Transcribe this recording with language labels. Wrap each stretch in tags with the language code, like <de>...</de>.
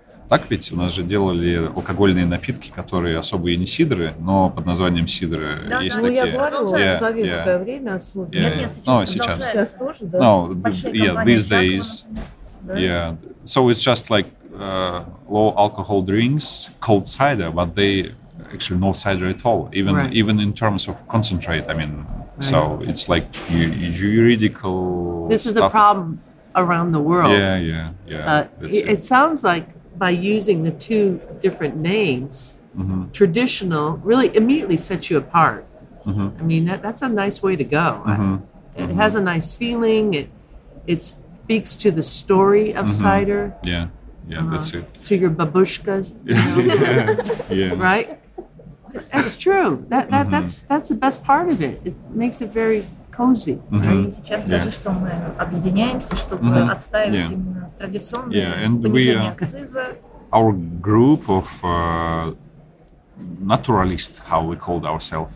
<ru>Так ведь у нас же делали алкогольные напитки, которые особо и не сидры, но под названием сидры есть такие. Да, ну я говорила, в советское время особо. Нет, сейчас. Сейчас тоже, да?</ru> <en>No, these days. Yeah, so it's just like low alcohol drinks called cider, but they actually no cider at all, even in terms of concentrate. I mean, so it's like juridical. This is the problem around the world. Yeah. It sounds like by using the two different names, mm-hmm. traditional really immediately sets you apart. Mm-hmm. I mean, that's a nice way to go. Mm-hmm. It has a nice feeling. It speaks to the story of mm-hmm. cider. Yeah, that's it. To your babushkas. Yeah. Right? That's true. That mm-hmm. that's the best part of it. It makes it very cozy. Mm-hmm.</en> <ru>Сейчас скажи, что мы объединяемся, чтобы mm-hmm. отставить yeah. именно традиционное понижение акциза.</ru> <en>Our group of naturalists, how we called ourselves.</en>